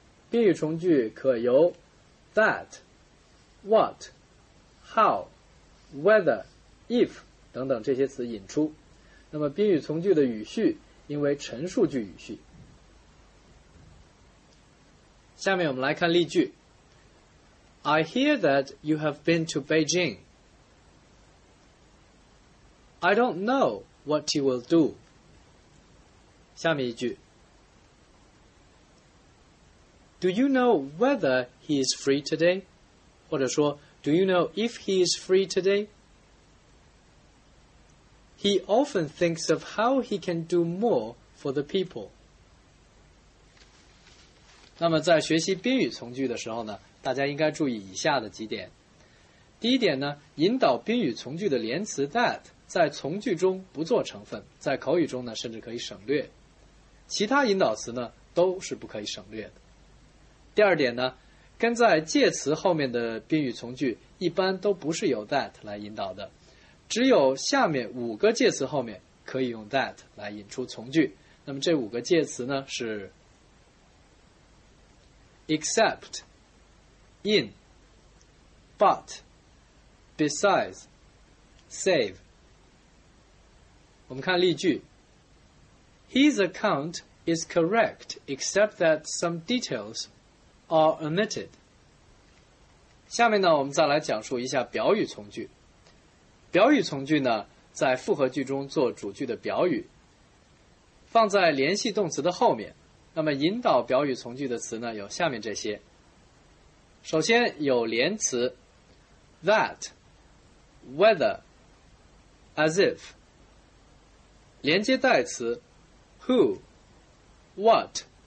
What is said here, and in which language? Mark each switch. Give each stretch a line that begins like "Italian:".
Chinese: 宾语从句可由 that、 what、how、whether、if 等等这些词引出。那么宾语从句的语序应为陈述句语序。下面我们来看例句。
English: I hear that you have been to Beijing. I don't know what you will do.
Chinese: 下面一句。
English: Do you know whether he is free today?
Chinese: 或者说
English: Do you know if he is free today? He often thinks of how he can do more for the people.
Chinese: 那么在学习宾语从句的时候呢，大家应该注意以下的几点。第一点呢，引导宾语从句的连词 that 在从句中不做成分，在口语中呢甚至可以省略，其他引导词呢都是不可以省略的。第二点呢，跟在介词后面的宾语从句一般都不是由 that 来引导的，只有下面五个介词后面可以用 that 来引出从句。那么这五个介词呢是 except、 in、 but、 besides、 save。我们看例句。
English: His account is correct except that some details are omitted。
Chinese: 下面呢，我们再来讲述一下表语从句。表语从句呢，在复合句中做主句的表语，放在联系动词的后面。那么引导表语从句的词呢，有下面这些。首先有连词 that、 whether、 as if， 连接代词 who、 what、